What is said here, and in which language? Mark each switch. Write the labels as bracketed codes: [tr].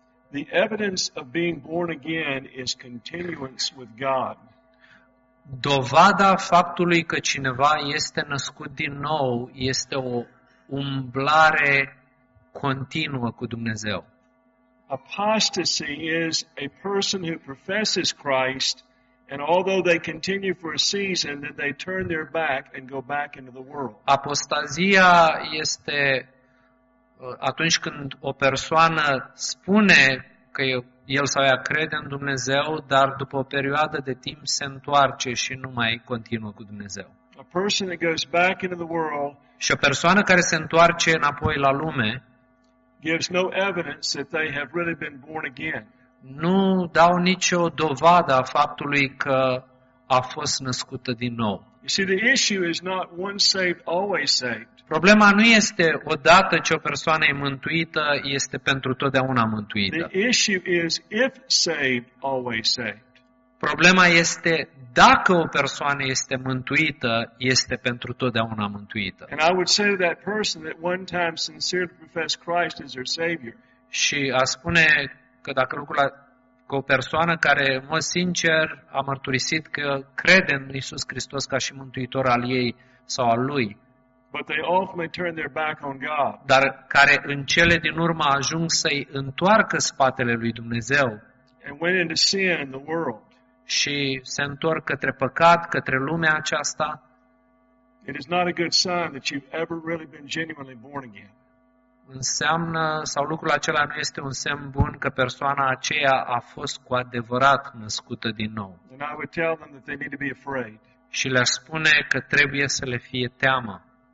[en] The evidence of being born again is continuance with God. [ro] Dovada faptului că cineva este născut din nou este o umblare continuă cu Dumnezeu. [en] Apostasy is a person who professes Christ and although they continue for a season then they turn their back and go back into the world. [ro] Apostazia este atunci când o persoană spune că el sau ea crede în Dumnezeu, dar după o perioadă de timp se întoarce și nu mai continuă cu Dumnezeu. [en] A person that goes back into the world, [ro] și o persoană care se întoarce înapoi la lume, [en] gives no evidence that they have really been born again. [ro] Nu dau nicio dovadă a faptului că a fost născută din nou. [en] You see, the issue is not once saved, always saved. [ro] Problema nu este odată ce o persoană e mântuită, este pentru totdeauna mântuită. [en] The issue is if saved, always saved. [ro] Problema este dacă o persoană este mântuită, este pentru totdeauna mântuită. [en] And I would say to that person that one time sincerely professed Christ as their savior. [ro] Și a spune că dacă lucrul că o persoană care în mod sincer a mărturisit că crede în Iisus Hristos ca și mântuitor al ei sau al lui. [en] But they ultimately turn their back on God. [ro] Dar care în cele din urmă a ajuns să-i întoarcă spatele lui Dumnezeu. [en] And went into sin in the world. [ro] Și se întorc către păcat, către lumea aceasta. [en] It is not a good sign that you've ever really been genuinely born again. [ro] Înseamnă sau lucrul acela nu este un semn bun că persoana aceea a fost cu adevărat născută din nou. [en] And I would tell them that they need to be afraid. [ro] Și le-aș spune că trebuie să le fie teamă.